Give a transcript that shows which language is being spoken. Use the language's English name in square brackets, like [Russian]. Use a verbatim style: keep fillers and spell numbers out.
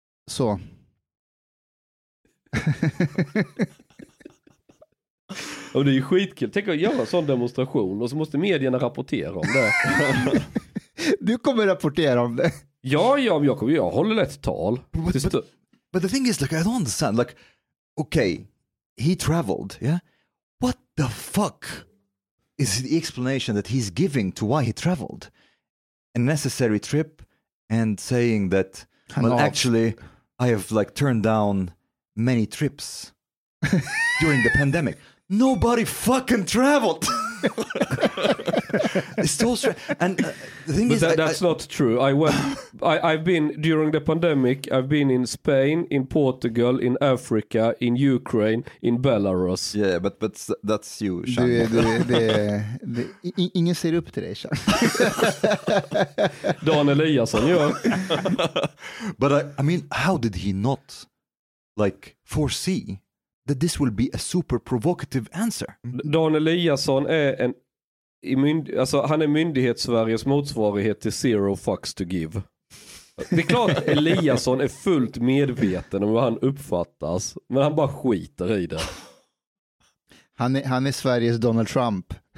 [Swedish] Så. Ja, det är ju skitkul. Tänk att göra en sån demonstration och så måste medierna rapportera om det. Du kommer rapportera om det. Ja, ja jag, kommer, jag håller ett tal. [English] But, but, but the thing is, like, I don't understand. Like, okay, he traveled, yeah? What the fuck is the explanation that he's giving to why he traveled? A necessary trip and saying that, well, off. Actually, I have, like, turned down many trips during the pandemic. Nobody fucking traveled! It's so strange. And uh, the thing but is... That, I, that's I, not true. I went, I, I've been, during the pandemic, I've been in Spain, in Portugal, in Africa, in Ukraine, in Belarus. Yeah, but, but that's you, [Swedish] Sean. Du, du, du, du, i, ingen ser upp till dig, Sean. Dan Eliasson, ja. [English] But I, I mean, how did he not like foresee that this will be a super provocative answer. [Swedish] Dan Eliasson är en i mynd, alltså han är myndighets-Sveriges motsvarighet till [English] Zero Fucks to Give. [Swedish] Det är klart Eliasson är fullt medveten om hur han uppfattas, men han bara skiter i det. Han är, han är Sveriges Donald Trump.